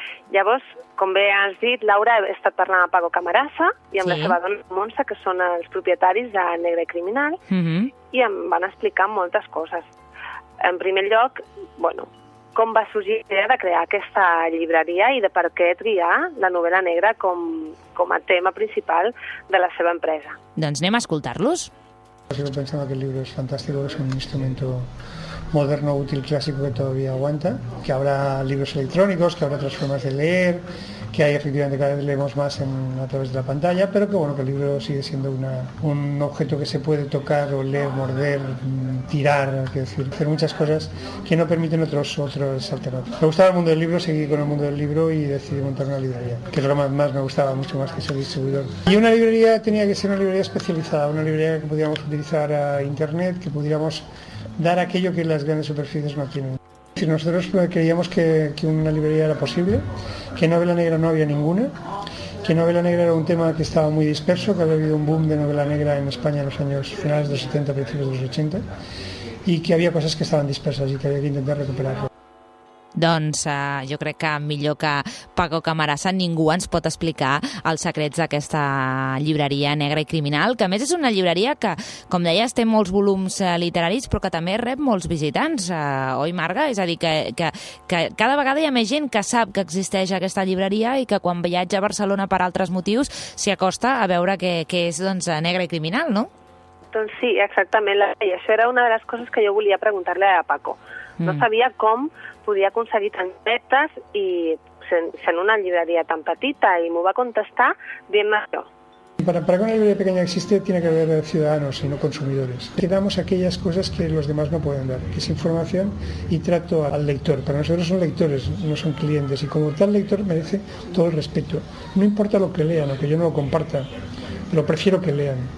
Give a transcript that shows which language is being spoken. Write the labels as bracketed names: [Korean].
[Catalan] Llavors, com bé has dit, Laura, he estat parlant amb Paco Camarasa i amb la seva dona Montse, que són els propietaris de Negre Criminal, i em van explicar moltes coses. En primer lloc, bueno, com va sorgir l'idea de crear aquesta llibreria i de per què triar la novel·la negra com a tema principal de la seva empresa. Doncs anem a escoltar-los. [Spanish] Yo pensaba que el libro es fantástico, es un instrumento moderno, útil, clásico, que todavía aguanta, que habrá libros electrónicos, que habrá otras formas de leer, que hay efectivamente cada vez leemos más a través de la pantalla, pero que bueno, que el libro sigue siendo un objeto que se puede tocar, oler, morder, tirar, es decir, hacer muchas cosas que no permiten otros alternativas. Me gustaba el mundo del libro, seguí con el mundo del libro y decidí montar una librería, que es lo que más me gustaba, mucho más que ser distribuidor. Y una librería tenía que ser una librería especializada, una librería que pudiéramos utilizar a internet, que pudiéramos dar aquello que las grandes superficies no tienen. Nosotros creíamos que una librería era posible, que novela negra no había ninguna, que novela negra era un tema que estaba muy disperso, que había habido un boom de novela negra en España en los años finales de los 70, principios de los 80, y que había cosas que estaban dispersas y que había que intentar recuperarlo. [Catalan] Doncs jo crec que millor que Paco Camarasa ningú ens pot explicar els secrets d'aquesta llibreria Negre i Criminal, que a més és una llibreria que, com deies, té molts volums literaris, però que també rep molts visitants, oi, Marga? És a dir, que cada vegada hi ha més gent que sap que existeix aquesta llibreria i que quan viatja a Barcelona per altres motius s'hi acosta a veure què és doncs, Negre i Criminal, no? Doncs sí, exactament. I això era una de les coses que jo volia preguntar-li a Paco. No sabia com podia aconseguir tant metes i sent una llibreria tan petita i m'ho va contestar dient-me això. [Spanish] Para que una librería pequeña existe, tiene que haber ciudadanos y no consumidores. Que damos aquellas cosas que los demás no pueden dar, que es información y trato al lector. Para nosotros son lectores, no son clientes. Y como tal lector merece todo el respeto. No importa lo que lean, aunque yo no lo comparta, pero prefiero que lean.